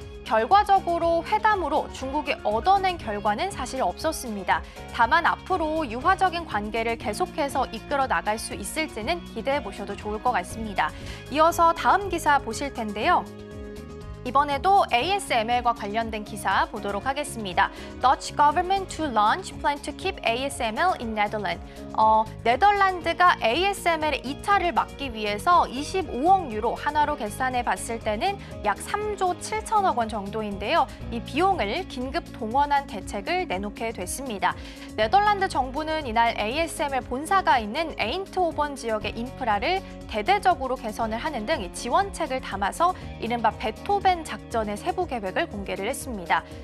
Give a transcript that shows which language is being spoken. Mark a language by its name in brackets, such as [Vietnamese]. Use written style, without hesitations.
[Korean] 결과적으로 회담으로 중국이 얻어낸 결과는 사실 없었습니다. 다만 앞으로 유화적인 관계를 계속해서 이끌어 나갈 수 있을지는 기대해 보셔도 좋을 것 같습니다. 이어서 다음 기사 보실 텐데요. 이번에도 ASML과 관련된 기사 보도록 하겠습니다. [English] Dutch government to launch plan to keep ASML in Netherlands. [Korean] 네덜란드가 ASML의 이탈을 막기 위해서 25억 유로 한화로 계산해 봤을 때는 약 3조 7천억 원 정도인데요. 이 비용을 긴급 동원한 대책을 내놓게 됐습니다. 네덜란드 정부는 이날 ASML 본사가 있는 에인트호번 지역의 인프라를 대대적으로 개선을 하는 등 지원책을 담아서 이른바 베토벤 작전의 세부 계획을 공개를 했습니다.